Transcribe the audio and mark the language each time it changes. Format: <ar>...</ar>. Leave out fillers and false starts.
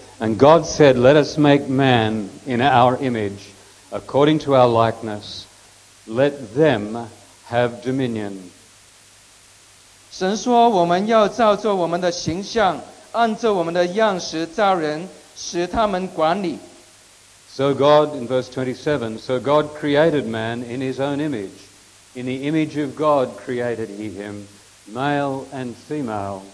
<en>And God said, Let us make man in our image, according to our likeness. Let them have dominion.</en> <zh>神说我们要照着我们的形象，按着我们的样式造人，使他们管理。</zh> <en>So God, in verse 27, so God created man in his own image. In the image of God created he him, male and female.</en>